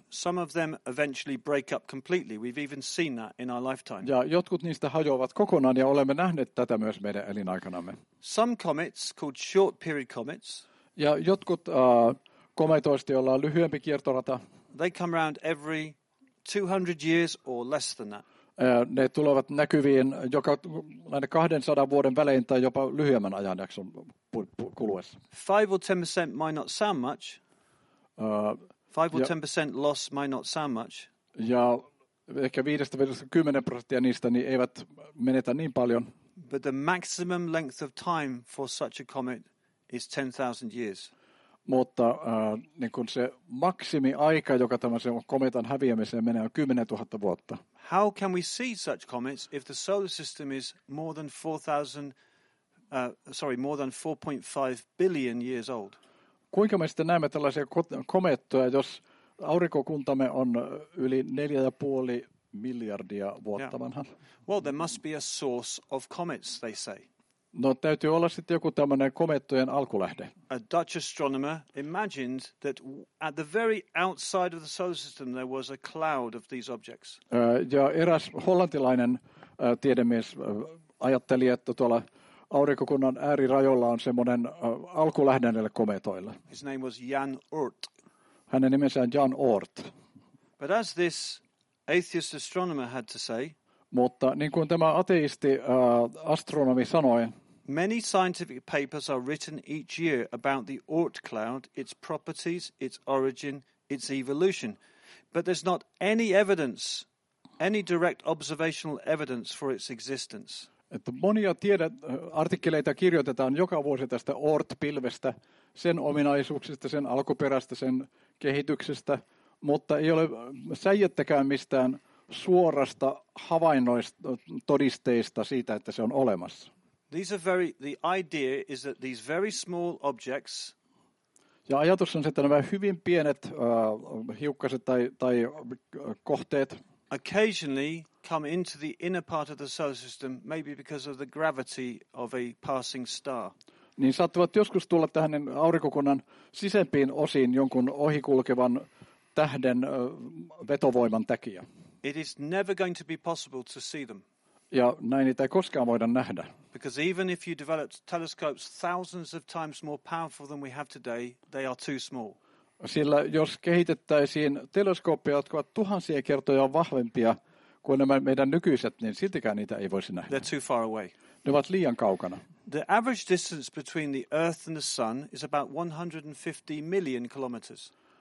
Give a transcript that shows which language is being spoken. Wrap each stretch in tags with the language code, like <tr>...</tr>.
<en>Some of them eventually break up completely. We've even seen that in our lifetime.</en> <fi>Ja jotkut niistä hajoavat kokonaan ja olemme nähneet tätä myös meidän elinaikanamme.</fi> <en>Some comets called short period comets.</en> <fi>Ja jotkut kometoista, joilla on lyhyempi kiertorata.</fi> <en>They come around every 200 years or less than that.</en> <fi>Ne tulevat näkyviin joka näiden 200 vuoden välein tai jopa lyhyemmän ajanjakson kuluessa.</fi> <en>5 or 10% might not sound much. 5 or 10% loss might not sound much.</en> <fi>Ja ehkä 5-10% niistä niin eivät menetä niin paljon.</fi> <en>But the maximum length of time for such a comet is 10,000 years.</en> <fi>Mutta niin kun se maksimi aika, joka tämmöisen kometan häviämiseen menee, on 10 000 vuotta.</fi> <en>How can we see such comets if the solar system is more than 4.5 billion years old?</en> <fi>Kuinka me sitten näemme tällaisia komettoja, jos aurinkokuntamme on yli 4,5 miljardia vuotta vanha?</fi> <en>Well, there must be a source of comets, they say.</en> <fi>No, täytyy olla sitten joku tämmöinen komettojen alkulähde.</fi> <en>A Dutch astronomer imagined that at the very outside of the solar system there was a cloud of these objects.</en> <fi>Ja eräs hollantilainen tiedemies ajatteli, että tuolla aurinkokunnan äärirajoilla on semmoinen alkulähde näille kometoille.</fi> <en>His name was Jan Oort.</en> <fi>Hänen nimensä on Jan Oort.</fi> <en>But as this atheist astronomer had to say,</en> <fi>mutta niin kuin tämä ateisti astronomi sanoi,</fi> <en>many scientific papers are written each year about the Oort cloud, its properties, its origin, its evolution. But there's not any evidence, any direct observational evidence for its existence.</en> <fi>Että monia artikkeleita kirjoitetaan joka vuosi tästä Oort-pilvestä, sen ominaisuuksista, sen alkuperästä, sen kehityksestä, mutta ei ole säijättäkään mistään suorasta havainnoista, todisteista siitä, että se on olemassa.</fi> <en>The idea is that these very small objects.</en> <fi>Ja ajatus on, että nämä hyvin pienet hiukkaset tai kohteet.</fi> <en>Occasionally come into the inner part of the solar system, maybe because of the gravity of a passing star.</en> <fi>Niin saattavat joskus tulla tähän aurinkokunnan sisempiin osiin jonkun ohikulkevan tähden vetovoiman takia.</fi> <en>It is never going to be possible to see them.</en> <fi>Ja näin niitä ei koskaan voida nähdä.</fi> <en>Because even if you developed telescopes thousands of times more powerful than we have today, they are too small.</en> <fi>Sillä jos kehitettäisiin teleskooppeja, jotka ovat tuhansia kertoja vahvempia kuin nämä meidän nykyiset, niin siltikään niitä ei voisi nähdä.</fi> <en>They're too far away.</en> <fi>Ne ovat liian kaukana.</fi> <en>The average distance between the Earth and the Sun is about 150 million kilometers.</en>